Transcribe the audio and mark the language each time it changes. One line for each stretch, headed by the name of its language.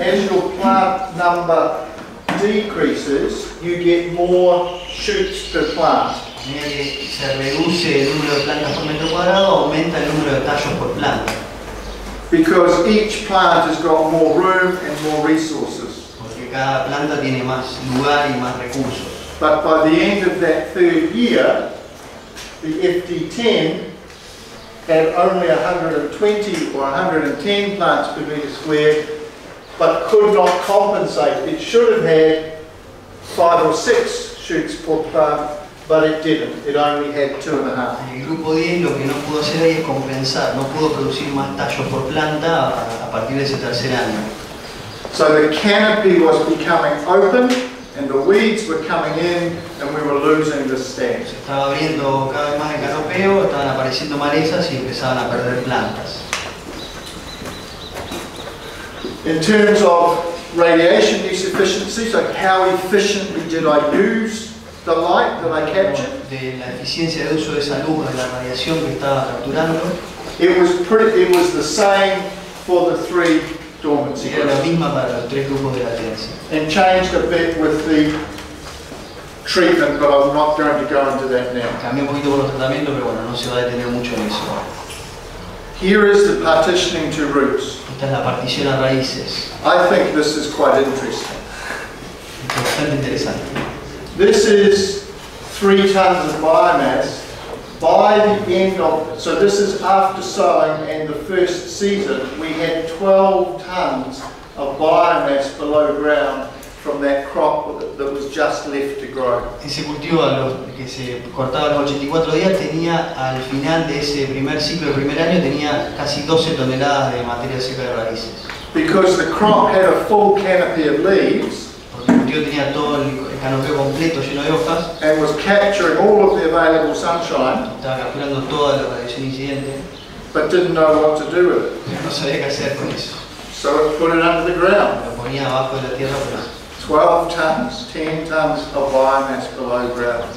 English: As your plant number decreases, you get more shoots per plant.
Spanish: Se reduce el número de plantas por metro cuadrado, aumenta el número de tallos por planta.
English: Because each plant has got more room and more resources.
Spanish: Cada planta tiene más lugar y más recursos.
English: But by the end of that third year, the FT10 had only 120 or 110 plants per meter squared, but could not compensate. It should have had 5 or 6 shoots per plant, but it didn't. It only had 2.5.
Spanish: El grupo 10 lo que no pudo hacer ahí es compensar. No pudo producir más tallos por planta a partir de ese tercer año.
English: So the canopy was becoming open, and the weeds were coming in, and we were losing the stand.
Spanish: Se estaba abriendo cada vez más el canopeo, estaban apareciendo malezas y empezaban a perder plantas.
English: In terms of radiation use efficiency, so how efficiently did I use the light that I captured?
Spanish: De la eficiencia de uso de esa luz, de la radiación que estaba capturando.
English: It was the same for the three. And changed a bit with the treatment, but I'm not going to go into that now.
Spanish: Cambié un poquito con los tratamientos, pero bueno, no se va a detener mucho en eso.
English: Here is the partitioning to roots.
Spanish: Esta es la partición a raíces.
English: I think this is quite interesting.
Spanish: Bastante interesante.
English: This is 3 tons of biomass by the end of, so this is after sowing and the first season, we had 12 tons of biomass below ground from that crop that was just left to grow.
Spanish: Ese cultivo que se cortaba a los 84 días tenía, al final de ese primer ciclo, el primer año, tenía casi 12 toneladas de materia seca de raíces.
English: Because the crop had a full canopy of leaves.
Spanish: Porque el cultivo tenía todo el canopeo completo lleno de hojas.
English: And was capturing all of the available sunshine.
Spanish: Estaba capturando toda la radiación incidente.
English: But didn't know what to do with it.
Spanish: No sabía qué hacer con eso.
English: So it put it under the ground.
Spanish: Lo ponía abajo de la tierra.
English: 12 tons, 10 tons of biomass below ground.